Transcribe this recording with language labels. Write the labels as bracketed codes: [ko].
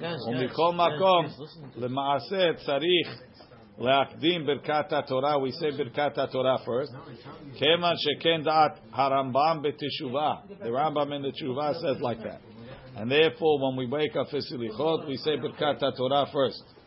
[he] ומכל מקום למעשה צריך להקדים ברכת התורה. [en] We say ברכת התורה first. [he] כמה שכן דעת הרמב״ם בתשובה. [en] The Rambam in the תשובה says like that. And therefore when we wake up for סליחות, we say ברכת התורה first.